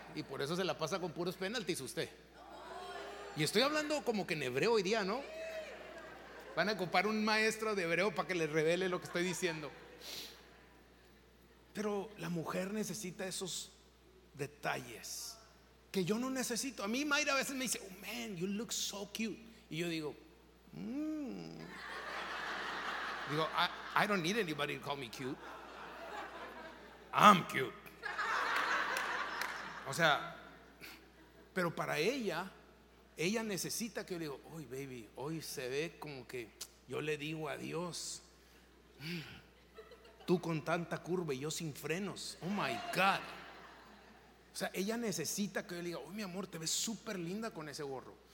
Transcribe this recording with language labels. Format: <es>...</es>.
<es>Y por eso se la pasa con puros penaltis usted. Y estoy hablando como que en hebreo hoy día, ¿no? Van a ocupar un maestro de hebreo para que les revele lo que estoy diciendo. Pero la mujer necesita esos detalles que yo no necesito. A mí Mayra a veces me dice,</es> <en>oh, man, you look so cute.</en> <es>Y yo digo, Digo,</es> <en>I don't need anybody to call me cute. I'm cute.</en> <es>O sea, pero para ella, ella necesita que yo le diga, uy, baby, hoy se ve como que yo le digo adiós. Tú con tanta curva y yo sin frenos.</es> <en>Oh my God.</en> <es>O sea, ella necesita que yo le diga, uy, mi amor, te ves súper linda con ese gorro.</es>